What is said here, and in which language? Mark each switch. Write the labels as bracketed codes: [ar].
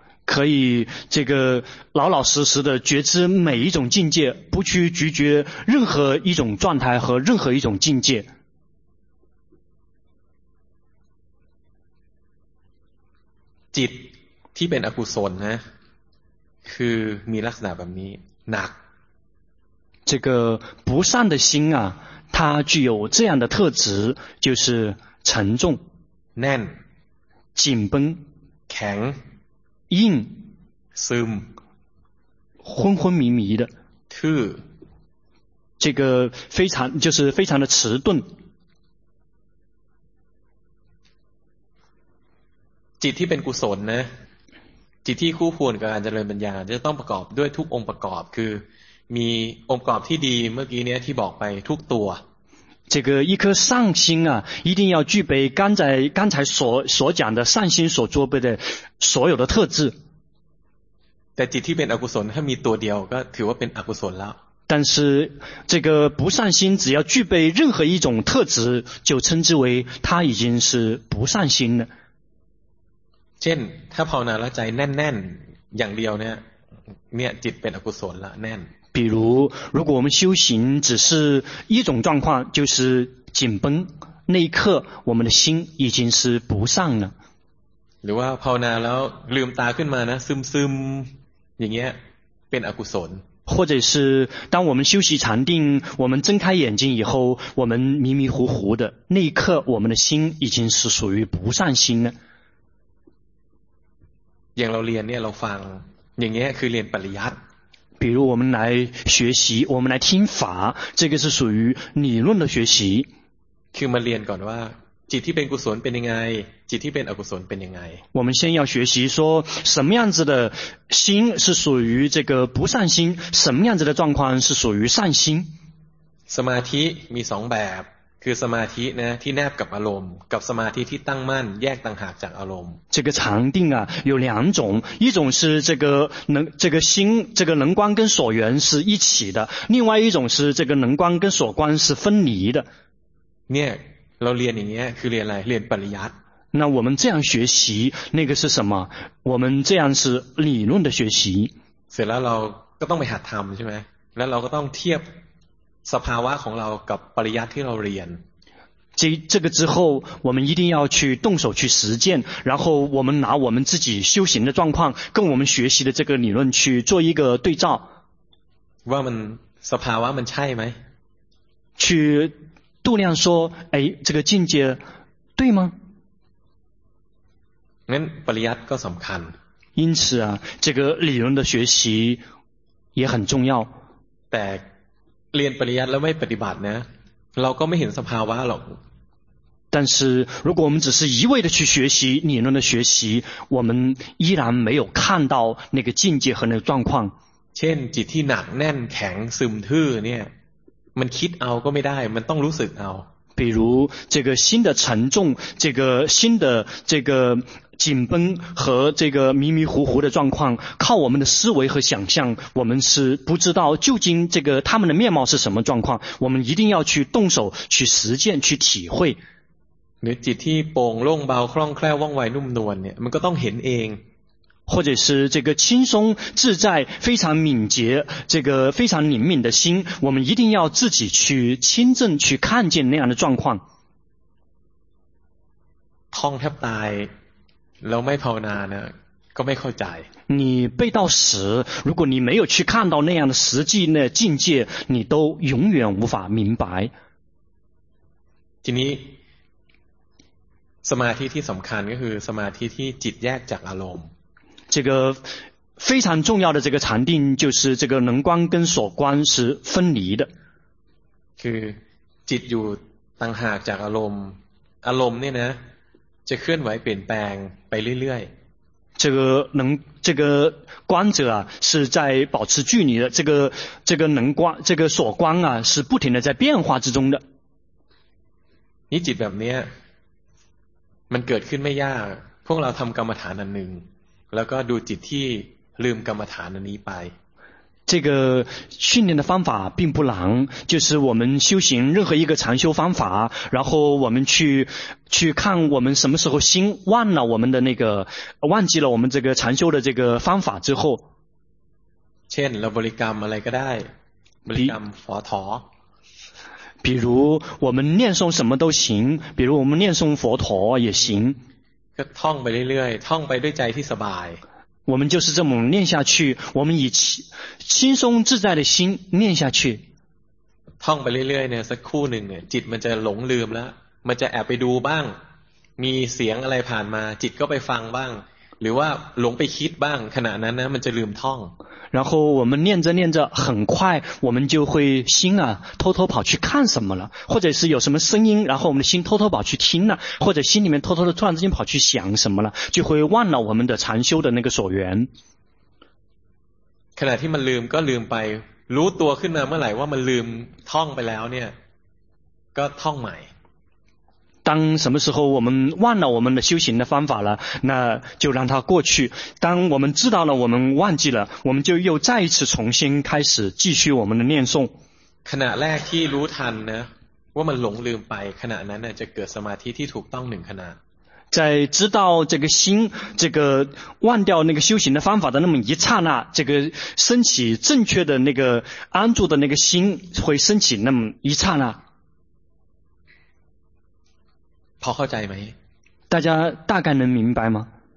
[zh] 可以这个老老实实的觉知每一种境界，不去拒绝任何一种状态和任何一种境界。 [th] จิตที่เป็นอกุศลนะคือมีลักษณะแบบนี้หนัก [zh] 这个不善的心啊它具有这样的特质就是沉重 [th] แน่น [zh] 紧绷 [th] แข็ง [zh] 硬 [th] ซึม [zh] 昏昏迷迷的 [th] ทื่ [zh] อ这个非常就是非常的迟钝 [th] จิตที่เป็นกุศลนะจิตที่คู่ควรกับการเจริญปัญญาจะต้องประกอบด้วยทุกองค์ประกอบคือมีองค์ประกอบที่ดีเมื่อกี้เนี้ยที่บอกไปทุกตัว [zh] 这个一颗善心啊一定要具备刚才所讲的善心所具备的所有的特质 [th] แต่จิตที่เป็นอกุศลถ้ามีตัวเดียวก็ถือว่าเป็นอกุศลแล้ว [zh] 但是这个不善心只要具备任何一种特质就称之为它已经是不善心了 [th] เช่นถ้าภาวนาแล้วใจแน่นๆอย่างเดียวเนี่ยจิตเป็นอกุศลละแน่น [zh] 比如如果我们修行只是一种状况就是紧绷那一刻我们的心已经是不善了 [th] หรือว่าภาวนาแล้วลืมตาขึ้นมานะซึมอย่างเงี้ยเป็นอกุศล [zh] 或者是当我们修习禅定我们睁开眼睛以后我们迷迷糊糊的那一刻我们的心已经是属于不善心了 [th] อย่างเราเรียนเนี่ยเราฟังอย่างเงี้ยคือเรียนปริยัติ [zh] 比如我们来学习我们来听法这个是属于理论的学习 [th] คือมาเรียนก่อนว่าจิตที่เป็นกุศลเป็นยังไงจิตที่เป็นอกุศลเป็นยังไง [zh] 我们先要学习说什么样子的心是属于这个不善心什么样子的状况是属于善心 [th] สมาธิมี2แบบคือสมาธินะที่แนบกับอารมณ์กับสมาธิที่ตั้งมั่นแยกต่างหากจากอารมณ์ [zh] 这个禅定啊有两种一种是这个能这个心这个能观跟所缘是一起的另外一种是这个能观跟所观是分离的 [th] เนี่ยเราเรียนอย่างเงี้ยคือเรียนอะไรเรียนปริยัติ [zh] 那我们这样学习那个是什么我们这样是理论的学习 [th] เสร็จแล้วเราก็ต้องไปหัดทำใช่ไหมแล้วเราก็ต้องเทียบสภาวะของเรากับปริยัติที่เราเรียน [zh] 这个之后我们一定要去动手去实践然后我们拿我们自己修行的状况跟我们学习的这个理论去做一个对照 [th] ว่ามันสภาวะมันใช่ไหม [zh] 去度量说哎这个境界对吗 [th] งั้นปริยัติก็สำคัญ [zh] 因此啊这个理论的学习也很重要 [th] แต่เรียนปริยัติแล้วไม่ปฏิบัตินะเราก็ไม่เห็นสภาวะหรอก [zh] 但是如果我们只是一味的去学习理论的学习，我们依然没有看到那个境界和那个状况。 [th] เช่นจิตที่หนักแน่นแข็งซึมทื่อเนี่ยมันคิดเอาก็ไม่ได้มันต้องรู้สึกเอา [zh] 比如这个心的沉重，这个心的这个紧绷和这个迷迷糊糊的状况，靠我们的思维和想象，我们是不知道究竟这个他们的面貌是什么状况，我们一定要去动手去实践去体会。 [th] 你จิตที่โปร่งโล่งเบาคล่องแคล่วว่องไวนุ่มนวลเนี่ยมันก็ต้องเห็นเอง [zh] 或者是这个轻松自在非常敏捷这个非常灵敏的心，我们一定要自己去亲证去看见那样的状况。 [th] ท่องแทบตายแล้วไม่ภาวนาเนี่ยก็ไม่เข้าใจ [zh] 你背到死，如果你没有去看到那样的实际那境界，你都永远无法明白。 [th] ทีนี้สมาธิที่สำคัญก็คือสมาธิที่จิตแยกจากอารมณ์ [zh] 这个非常重要的这个禅定就是这个能观跟所观是分离的 [th] คือจิตอยู่ต่างหากจากอารมณ์อารมณ์เนี่ยนะจะเคลื่อนไหวเปลี่ยนแปลงไปเรื่อย [zh] ๆ这个观者啊是在保持距离的这个能观这个所观啊是不停的在变化之中的 [th] 你จิตแบบเนี้ยมันเกิดขึ้นไม่ยากพวกเราทำกรรมฐานอันหนึ่งแล้วก็ดูจิตที่ลืมกรรมฐานอันนี้ไป [zh] 这个训练的方法并不难，就是我们修行任何一个禅修方法，然后我们去看我们什么时候心忘了我们的那个忘记了我们这个禅修的这个方法之后， [th] เช่นเราบริกรรมอะไรก็ได้บริกรรมฝอถอ [zh] 比如我们念诵什么都行，比如我们念诵佛陀也行。就唱 [th] ไปเรื่อยๆ [zh] 唱 [th] ไปด้วยใจที่สบาย。 [zh] 我们就是这么念下去，我们以轻松自在的心念下去。唱 [th] ไปเรื่อยๆเนี่ยสักครู่หนึ่งเนี่ยจิตมันจะหลงลืมแล้วมันจะแอบไปดูบ้างมีเสียงอะไรผ่านมาจิตก็ไปฟังบ้างหรือว่าหลงไปคิดบ้างขณะนั้นนะมันจะลืมท่อง [zh] 然后我们念着念着很快我们就会心啊偷偷跑去看什么了或者是有什么声音然后我们的心偷偷跑去听了或者心里面偷偷的突然之间跑去想什么了就会忘了我们的禅修的那个所缘 [th] ขณะที่มันลืมก็ลืมไปรู้ตัวขึ้นมาเมื่อไหร่ว่ามันลืมท่องไปแล้วเนี่ยก็ท่องใหม่ [zh] 当什么时候我们忘了我们的修行的方法了，那就让它过去。当我们知道了我们忘记了，我们就又再一次重新开始继续我们的念诵。 [th] ขณะแรกที่รู้ทันนะว่ามันหลงลืมไปขณะนั้นจะเกิดสมาธิที่ถูกต้องหนึ่งขณะ [zh] 在知道这个心这个忘掉那个修行的方法的那么一刹那，这个升起正确的那个安住的那个心会升起那么一刹那。 [th] พอเข้าใจไหม [zh] 大家大概能明白吗